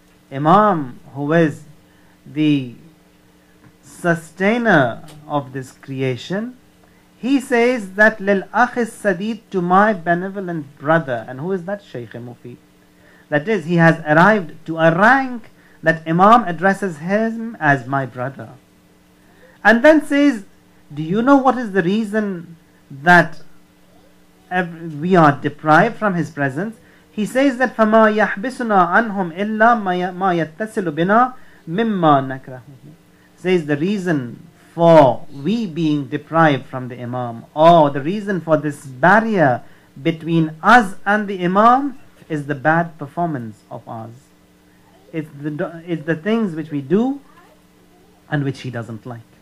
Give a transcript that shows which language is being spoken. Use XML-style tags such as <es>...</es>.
<en>Imam, who is the sustainer of this creation, he says that</en> <ar>لِلْأَخِ السَّدِيد,</ar> <en>to my benevolent brother. And who is that? Shaykh Mufid. That is, he has arrived to a rank that Imam addresses him as my brother. And then says, do you know what is the reason that we are deprived from his presence? He says that</en> <ar>فَمَا يَحْبِسُنَا عَنْهُمْ إِلَّا مَا يَتَّسِلُ بِنَا مِمَّا نَكْرَهُ.</ar> <en>Says the reason for we being deprived from the Imam, or the reason for this barrier between us and the Imam, is the bad performance of us. It's the things which we do and which he doesn't like.</en>